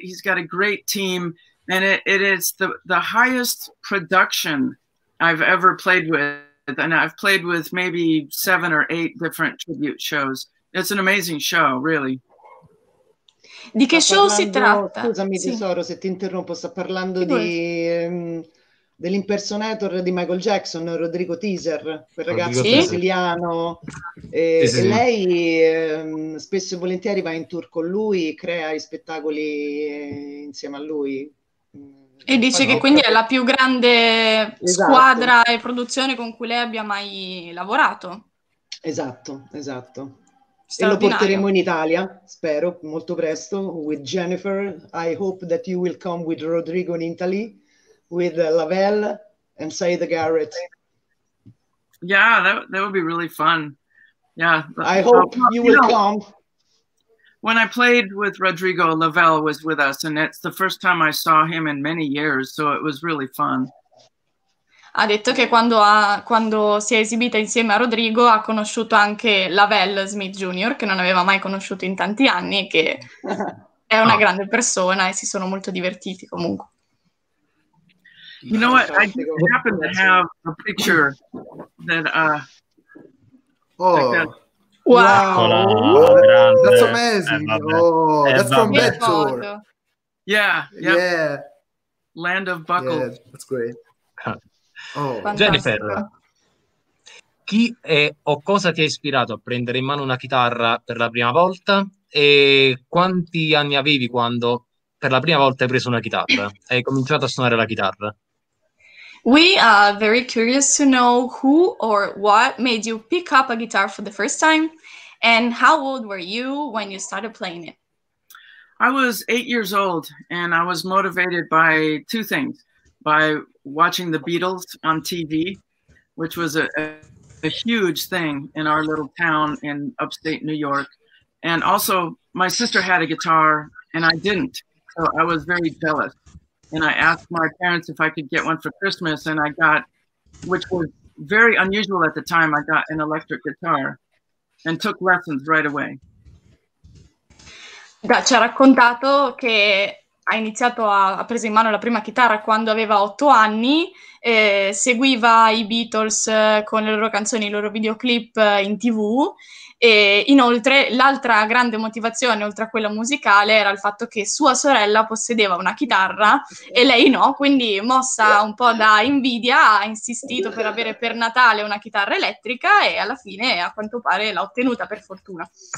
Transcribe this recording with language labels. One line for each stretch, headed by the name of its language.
English: He's got a great team, and it is the highest production I've ever played with, and I've played with maybe 7 or 8 different tribute shows. It's an amazing show, really.
Italian: Di che show si tratta? Scusami, tesoro, se ti interrompo, sto parlando di dell'impersonator di Michael Jackson, Rodrigo Teaser, quel ragazzo brasiliano. Sì. Lei spesso e volentieri va in tour con lui, crea i spettacoli insieme a lui. E dice che quindi è la più grande squadra e produzione con cui lei abbia mai lavorato. Esatto. E lo porteremo in Italia, spero, molto presto,
English: with Jennifer. I hope that you will come with Rodrigo in Italy. With Lavelle and Saida Garrett. Yeah, that would be really fun. Yeah. I hope you will come. When I played with Rodrigo, Lavelle was with us, and it's the first time I saw him in many years, so it was really fun.
Italian: Ha detto che quando si è esibita insieme a Rodrigo ha conosciuto anche Lavelle Smith Jr., che non aveva mai conosciuto in tanti anni, che è una grande persona e si sono molto divertiti comunque.
English: You know what? I just happen to have a picture that Wow. That's amazing. That's from that tour. Yeah. Land of Buckles. Yeah, that's great.
Italian: Jennifer, chi è o cosa ti ha ispirato a prendere in mano una chitarra per la prima volta? E quanti anni avevi quando per la prima volta hai preso una chitarra? Hai cominciato a suonare la chitarra?
English: We are very curious to know who or what made you pick up a guitar for the first time, and how old were you when you started playing it? I was 8 years old, and I was motivated by 2 things. By watching the Beatles on TV, which was a huge thing in our little town in upstate New York. And also, my sister had a guitar, and I didn't, so I was very jealous. And I asked my parents if I could get one for Christmas, and I got, which was very unusual at the time, I got an electric guitar and took lessons right away.
Italian: ci ha raccontato che ha iniziato a, ha preso in mano la prima chitarra quando aveva 8 anni, seguiva i Beatles con le loro canzoni, i loro videoclip in TV, e inoltre l'altra grande motivazione oltre a quella musicale era il fatto che sua sorella possedeva una chitarra e lei no, quindi mossa un po' da invidia ha insistito per avere per Natale una chitarra elettrica e alla fine a quanto pare l'ha ottenuta per fortuna.